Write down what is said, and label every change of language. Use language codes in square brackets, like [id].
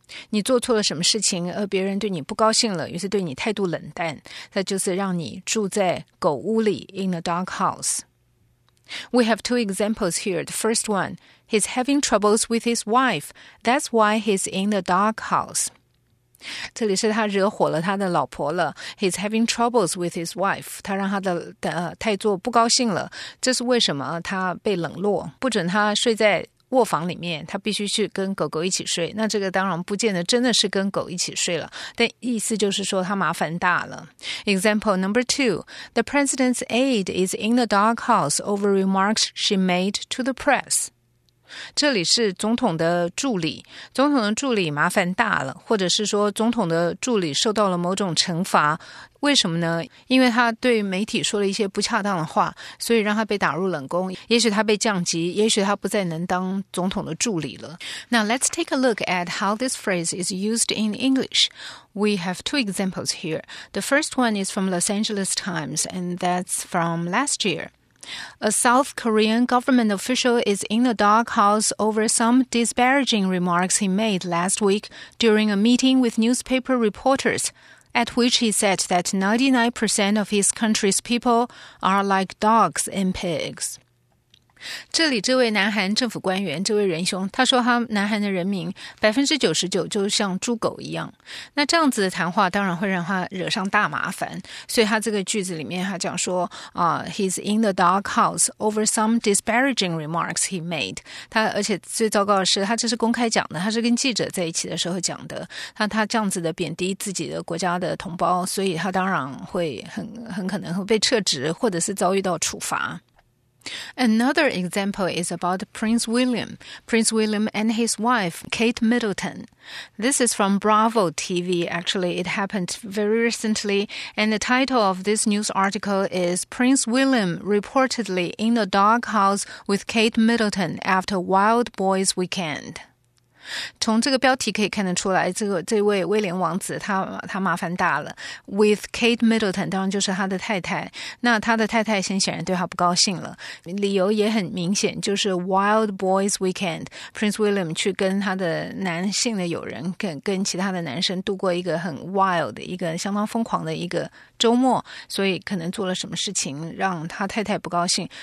[zh] 你做错了什么事情而别人对你不高兴了，于是对你态度冷淡，那就是让你住在狗屋里 [en] in the doghouse. We have two examples here. The first one, he's having troubles with his wife. That's why he's in the doghouse. [zh] 这里是他惹火了他的老婆了。 [en] He's having troubles with his wife. [zh] 他让他的太座不高兴了。这是为什么他被冷落，不准他睡在卧房里面，他必须去跟狗狗一起睡。那这个当然不见得真的是跟狗一起睡了，但意思就是说他麻烦大了。 [en] Example number two, the president's aide is in the doghouse over remarks she made to the press. [zh] 这里是总统的助理，总统的助理麻烦大了，或者是说总统的助理受到了某种惩罚。为什么呢？因为他对媒体说了一些不恰当的话，所以让他被打入冷宫。也许他被降级，也许他不再能当总统的助理了。 [en] Now let's take a look at how this phrase is used in English. We have two examples here. The first one is from Los Angeles Times, and that's from last year. A South Korean government official is in the doghouse over some disparaging remarks he made last week during a meeting with newspaper reporters. At which he said that 99% of his country's people are like dogs and pigs. [zh] 这里这位南韩政府官员，这位仁兄，他说他南韩的人民99%就像猪狗一样。那这样子的谈话当然会让他惹上大麻烦。所以他这个句子里面他讲说 [en] he's in the doghouse over some disparaging remarks he made. [zh] 他而且最糟糕的是他这是公开讲的，他是跟记者在一起的时候讲的。他这样子的贬低自己的国家的同胞，所以他当然会很可能会被撤职或者是遭遇到处罚。 [en] Another example is about Prince William. Prince William and his wife, Kate Middleton. This is from Bravo TV, actually. It happened very recently. And the title of this news article is Prince William reportedly in the doghouse with Kate Middleton after Wild Boys Weekend. [zh] 从这个标题可以看得出来，这位威廉王子他麻烦大了。 With Kate Middleton 当然就是他的太太，那他的太太先显然对他不高兴了，理由也很明显，就是 Wild Boys Weekend， Prince William 去跟他的男性的友人，跟其他的男生度过一个很 wild， 一个相当疯狂的一个周末，所以可能做了什么事情让他太太不高兴。